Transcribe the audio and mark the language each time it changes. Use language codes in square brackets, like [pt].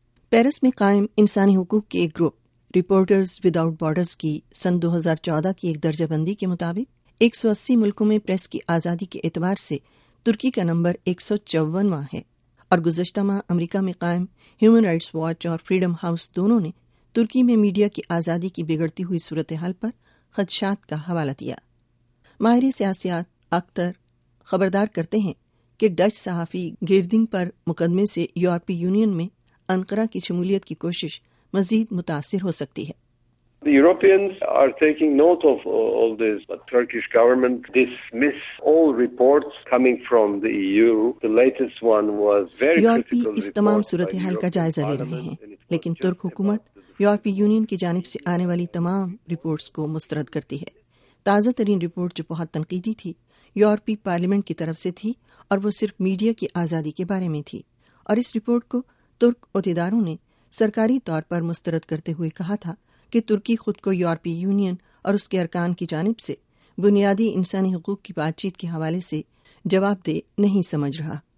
[ur] Paris میں قائم انسانی حقوق کے ایک group reporters with out borders کی سن 2014 کی ایک درجہ بندی کے مطابق 180 ملکوں میں پریس کی آزادی کے اعتبار سے ترکی کا نمبر 154واں ہے, اور گزشتہ ماہ امریکہ میں قائم ہیومن رائٹس واچ اور فریڈم ہاؤس دونوں نے ترکی میں میڈیا کی آزادی کی بگڑتی ہوئی صورتحال پر خدشات کا حوالہ دیا. ماہر سیاسیات اکثر خبردار کرتے ہیں کہ ڈچ صحافی گیردنگ پر مقدمے سے یورپی یونین میں انقرہ کی شمولیت کی کوشش مزید متاثر ہو سکتی ہے. [en] The Europeans are taking note of all this, but Turkish government dismiss all reports coming from the EU. The latest one was very critical. [ur] یورپی اس تمام صورتحال کا جائزہ لے رہے ہیں, لیکن ترک حکومت یورپی یونین کی جانب سے آنے والی تمام رپورٹس کو مسترد کرتی ہے. تازہ ترین رپورٹ جو بہت تنقیدی تھی یورپی پارلیمنٹ کی طرف سے تھی, اور وہ صرف میڈیا کی آزادی کے بارے میں تھی, اور اس رپورٹ کو ترک عہدیداروں نے سرکاری طور پر مسترد کرتے ہوئے کہا تھا کہ ترکی خود کو یورپی یونین اور اس کے ارکان کی جانب سے بنیادی انسانی حقوق کی بات چیت کے حوالے سے جواب دہ نہیں سمجھ رہا.